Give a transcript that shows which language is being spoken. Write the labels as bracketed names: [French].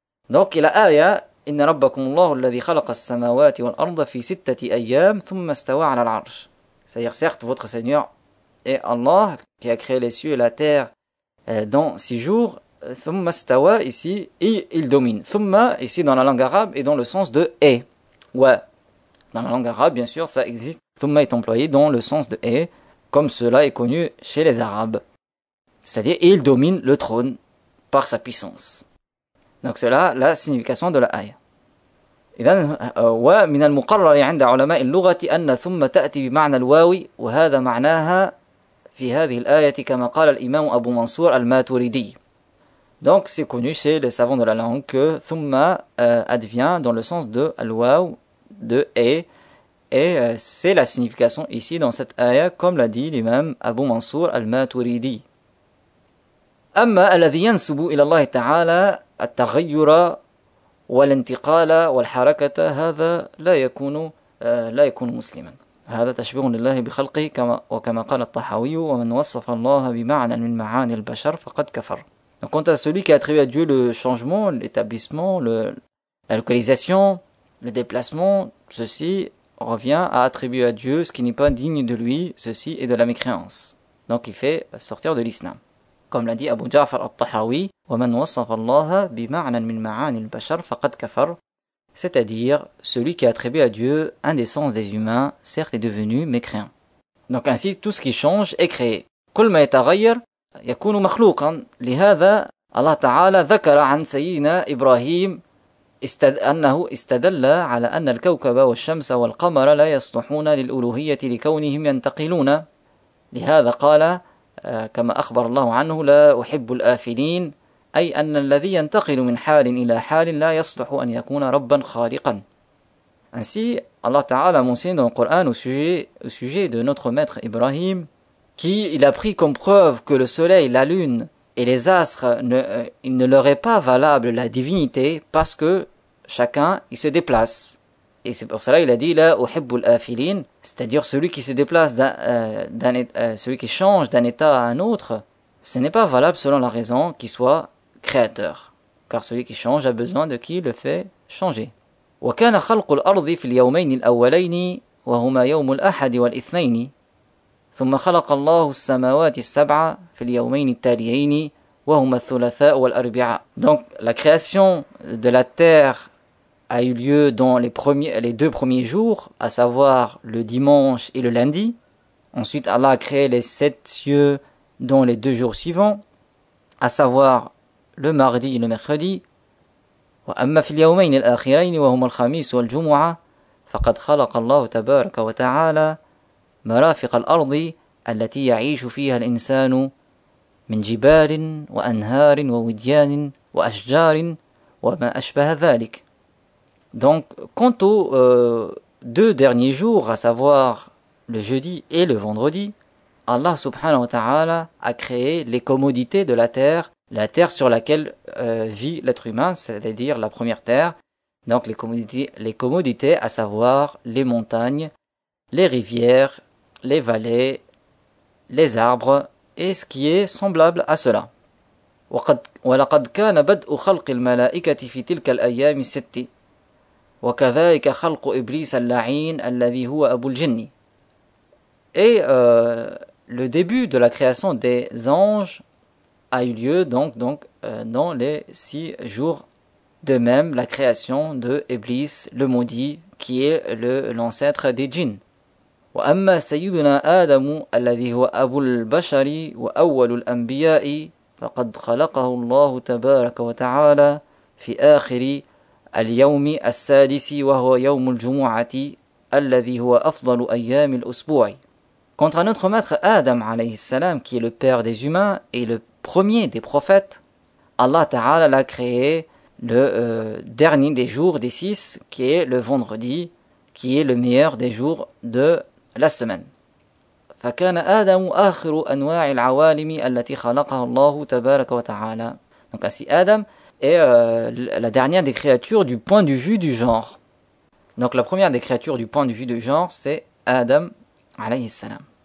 [French] Donc la [Arabic] آية إن ربكم الله الذي خلق السماوات والأرض في ستة أيام ثم استوى على العرش. [French] C'est-à-dire certes votre Seigneur est Allah qui a créé les cieux et la terre dans six jours. [Arabic] ثم استوى [French] ici il domine. ثم ici dans la langue arabe est dans le sens de et. Ouais. Dans la langue arabe bien sûr ça existe. Thumma est employé dans le sens de et, comme cela est connu chez les Arabes. C'est-à-dire, il domine le trône par sa puissance. Donc, cela, la signification de la ayah. [Arabic] إذن ومن المقرر عند علماء اللغة أن ثم تأتي بمعنى الواو وهذا معناها في هذه الآية كما قال الإمام أبو منصور الماتوريدي. [French] Donc, c'est connu chez les savants de la langue que thumma advient dans le sens de الواو de et. Et c'est la signification ici dans cette ayah, comme l'a dit l'imam Abu Mansour al-Maturidi. [Arabic] أما الذي ينسب إلى الله تعالى التغير والانتقال والحركة هذا لا يكون مسلما. هذا تشبيه لله بخلقه كما وكما قال الطحاوي ومن وصف الله بمعنى من معاني البشر فقد كفر. [French] Donc quant à celui qui attribue à Dieu le changement, l'établissement, la localisation, le déplacement, ceci revient à attribuer à Dieu ce qui n'est pas digne de lui, ceci est de la mécréance. Donc il fait sortir de l'islam. Comme l'a dit Abu Ja'far al-Tahawi, « [Arabic] وَمَنْ وَصَّفَ اللَّهَ بِمَعْنًا مِنْ مَعَانِ الْبَشَرْ فَقَدْ كَفَرْ [French] » C'est-à-dire, celui qui a attribué à Dieu un des sens des humains, certes est devenu mécréant. Donc ainsi, tout ce qui change est créé. [Arabic] « كُلْ مَا يَتَغَيَّرْ يَكُونُ مَخْلُوقًا » لِهَذَا اللَّهَ تَعَالَى ذَكَرَ عَنْ سَيِّدِنَا إِبْرَاهِيمَ أنه استدل على أن الكوكب والشمس والقمر لا يصلحون للألوهية لكونهم ينتقلون لهذا قال كما أخبر الله عنه لا أحب الآفلين أي أن الذي ينتقل من حال إلى حال لا يصلح أن يكون ربا خالقا. [French] Ainsi, Allah Ta'ala mentionne dans le Coran au sujet de notre maître Ibrahim qui il a pris comme preuve que le soleil, la lune et les astres, il ne leur est pas valable la divinité parce que chacun il se déplace. Et c'est pour cela qu'il a dit « [Arabic] la uhibbu al-afilin [French] », c'est-à-dire celui qui se déplace, celui qui change d'un état à un autre, ce n'est pas valable selon la raison qu'il soit créateur. Car celui qui change a besoin de qui le fait changer. [Arabic] « Wa kana khalqu al-ardi fil yawmayni al-awwalayni wa huma yawmu al-ahadi wal-ithnayni » ثم خلق الله السماوات السبع في اليومين التاليين وهما الثلاثاء والأربعاء. [French] Donc la création de la terre a eu lieu dans les deux premiers jours, à savoir le dimanche et le lundi. Ensuite Allah a créé les sept cieux dans les deux jours suivants, à savoir le mardi et le mercredi. [Arabic] وأما في اليومين الآخرين وهما الخميس والجمعة فقد خلق الله تبارك وتعالى مرافق الأرض التي يعيش فيها الإنسان من جبال وأنهار ووديان وأشجار وما أشبه ذلك. [French] Donc, quant aux deux derniers jours, à savoir le jeudi et le vendredi, Allah subhanahu wa ta'ala a créé les commodités de la terre sur laquelle vit l'être humain, c'est-à-dire la première terre, donc les commodités, à savoir les montagnes, les rivières, les vallées, les arbres et ce qui est semblable à cela. [Arabic] وَلَقَدْ كَانَ بَدْءُ خَلْقِ الْمَلَائِكَةِ فِي تِلْكَ الْأَيَّامِ السِّتِّ وَكَذَلِكَ خَلْقُ إِبْلِيسَ اللَّعِينَ الَّذِي هُوَ أَبُو الْجِنِّ. [French] Et le début de la création des anges a eu lieu donc dans les six jours. De même, la création de Iblis, le maudit, qui est l'ancêtre des djinns. [Arabic] وأما سيدنا آدم الذي هو أبو البشر وأول الأنبياء فقد خلقه الله تبارك وتعالى في آخر اليوم السادس وهو يوم الجمعة الذي هو أفضل أيام الأسبوع. [French] Quant à notre maître Adam [Arabic] عليه السلام, [French] qui est le père des humains et le premier des prophètes, Allah Ta'ala l'a créé le dernier des jours des six, qui est le vendredi, qui est le meilleur des jours de la semaine. [Arabic] فكان آدم آخر أنواع العوالم التي خلقها الله تبارك وتعالى. [French] Donc ainsi Adam est la dernière des créatures du point de vue du genre. Donc la première des créatures du point de vue du genre c'est Adam [Arabic] عليه السلام.